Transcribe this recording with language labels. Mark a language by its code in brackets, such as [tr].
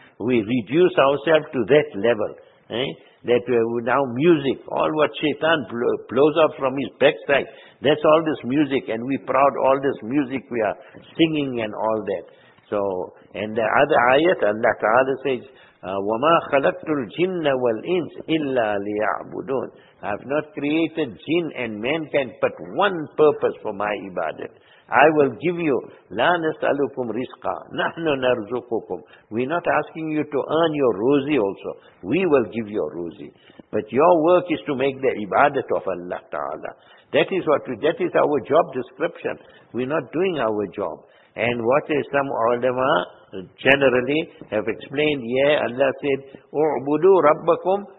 [en] We reduce ourselves to that level, that we have now music, all what Shaitan blows up from his backside, that's all this music, and we proud all this music we are singing and all that. So, and the other ayat, Allah Ta'ala says, [ar] وَمَا خَلَقْتُ الْجِنَّ وَالْإِنْسِ إِلَّا لِيَعْبُدُونَ. [en] I have not created jinn and mankind but one purpose for my ibadat. I will give you, [ar] لَا نَسْأَلُكُمْ رِزْقًا نَحْنُ نَرْزُقُكُمْ. [en] We're not asking you to earn your rosy also. We will give your rosy. But your work is to make the ibadat of Allah Ta'ala. That is what we, that is our job description. We're not doing our job. And what is some ulama generally have explained, yeah, Allah said, [ar] اُعْبُدُوا رَبَّكُمْ.